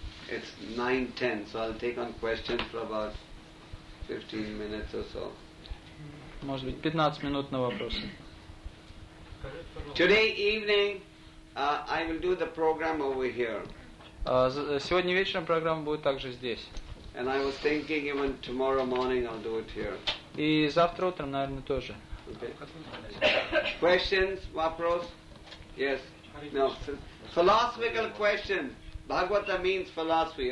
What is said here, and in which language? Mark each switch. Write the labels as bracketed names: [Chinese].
[English] It's 9:10, so I'll take on questions for about 15 minutes or so. [Russian] Может быть, 15 минут на вопросы. [English] Today evening I will do the program over here. [Russian] Сегодня вечером программа будет также здесь. [English] And I was thinking even tomorrow morning I'll do it here. [Russian] И завтра утром, наверное, тоже. [English] Okay. Questions? [Russian] Вопрос? [English] Yes. No. Philosophical question. Bhagavata means philosophy.